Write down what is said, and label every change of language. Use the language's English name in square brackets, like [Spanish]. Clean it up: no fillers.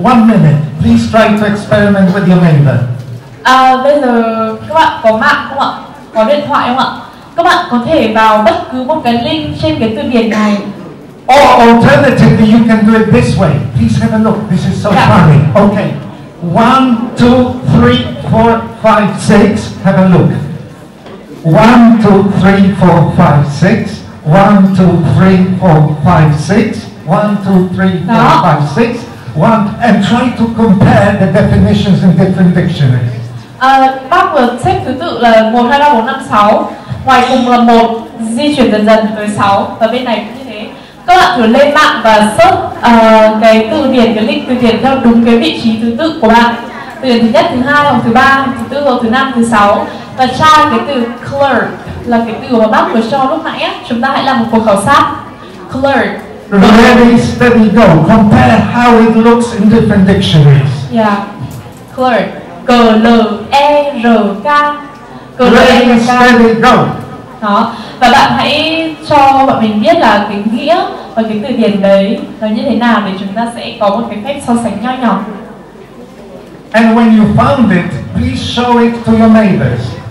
[English] 1 minute, please try to experiment with your neighbor. [Vietnamese] Bây giờ các bạn có mạng không ạ? Có điện thoại không ạ? Các bạn có thể vào bất cứ một cái link trên cái từ điển này. [English] Or alternatively, you can do it this way. Please have a look, this is so funny. Okay, 1, 2, 3, 4, 5, 6, have a look. 1, 2, 3, 4, 5, 6. 1, 2, 3, 4, 5, 6. 1, 2, 3, 4, 5, 6. 1, and try to compare the definitions in different dictionaries. [Vietnamese] Bác vừa xếp thứ tự là 1, 2, 3, 4, 5, 6. Ngoài cùng là 1, di chuyển dần dần tới 6. Và bên này cũng như thế. Các các bạn thử lên mạng và search cái từ điển, cái link từ điển theo đúng cái vị trí thứ tự của bạn. Từ điển thứ nhất, thứ hai, hoặc thứ ba, thứ tư, hoặc thứ năm, thứ sáu. Và tra cái từ clerk là cái từ mà bác vừa cho lúc nãy á. Chúng ta hãy làm một cuộc khảo sát. [English] Clerk. Ready, steady, go. Compare how it looks in different dictionaries. Yeah. Clerk. C-L-E-R-K. Ready, steady, go. [Vietnamese] Đó. Và bạn hãy cho bọn mình biết là cái nghĩa và cái từ điển đấy nó như thế nào để chúng ta sẽ có một cái phép so sánh nho nhỏ. [English] And when you found it, please show it to your neighbors.